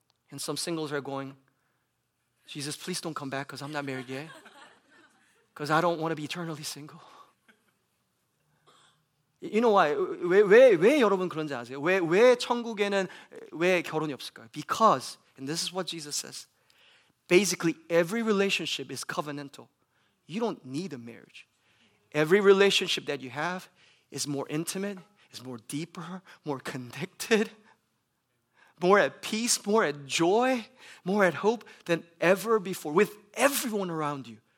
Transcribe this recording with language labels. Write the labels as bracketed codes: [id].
[en] And some singles are going, Jesus, please don't come back because I'm not married yet. Because I don't want to be eternally single. You know why? [ko] 왜 여러분 그런지 아세요? 왜 천국에는 왜 결혼이 없을까요? [en] Because, and this is what Jesus says, basically every relationship is covenantal. You don't need a marriage. Every relationship that you have is more intimate, is more deeper, more connected, more at peace, more at joy, more at hope than ever before with everyone around you.